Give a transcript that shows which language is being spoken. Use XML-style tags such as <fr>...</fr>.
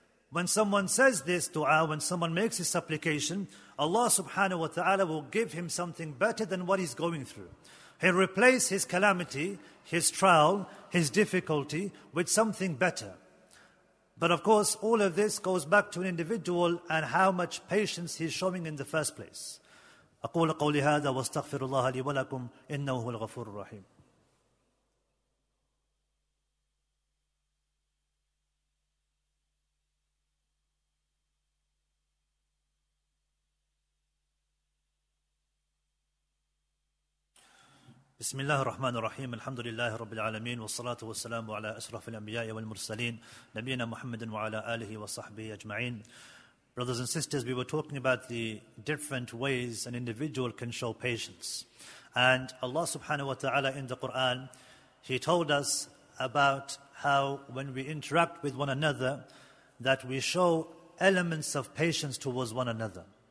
<en>When someone says this dua, when someone makes this supplication, Allah subhanahu wa ta'ala will give him something better than what he's going through. He'll replace his calamity, his trial, his difficulty with something better. But of course, all of this goes back to an individual and how much patience he's showing in the first place.</en> <ar>أقول قولي هذا واستغفر الله لي ولكم إنه هو الغفور الرحيم. بسم الله الرحمن الرحيم الحمد لله رب العالمين والصلاة والسلام على أشرف الأنبياء والمرسلين نبينا محمد وعلى آله وصحبه أجمعين.</ar> <en>Brothers and sisters, we were talking about the different ways an individual can show patience. And Allah subhanahu wa ta'ala in the Quran, He told us about how when we interact with one another, that we show elements of patience towards one another.</en>